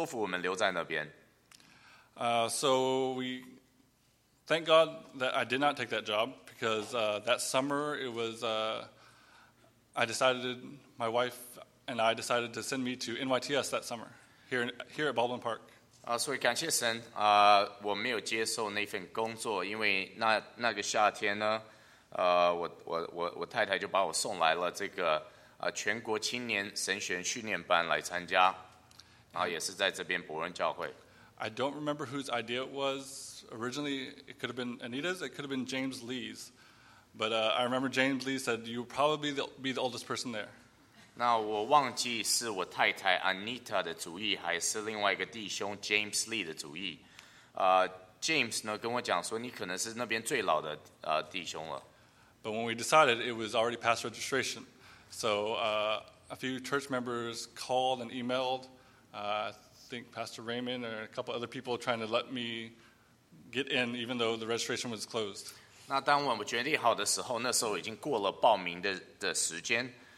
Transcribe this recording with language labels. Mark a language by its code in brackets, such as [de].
[zh] 然后我就在那个时候呢，然后我就跟我的太太讲说我的想法，然后那他也同意，那我们就这样子，然后就准备回去，然后Manfred弟兄还是想办法想要说留我们，就是一直说服我们留在那边。 [en] So we thank God that I did not take that job because that summer it was I decided my wife. And I decided to send me to NYTS that summer, here at Baldwin Park. So [zh] 感谢神，我没有接受那份工作，因为那个夏天呢，我太太就把我送来了这个全国青年神学训练班来参加，然后也是在这边博恩教会。 [en] I don't remember whose idea it was originally. It could have been Anita's. It could have been James Lee's. But I remember James Lee said you probably be the oldest person there. [zh] 那我忘记是我太太 Anita 的主意，还是另外一个弟兄 James Lee 的主意。James 呢跟我讲说，你可能是那边最老的弟兄了。 [en] But when we decided, it was already past registration. So a few church members called and emailed. I think Pastor Raymond or a couple other people trying to let me get in, even though the registration was closed. [zh] 那当我们决定好的时候，那时候已经过了报名的时间。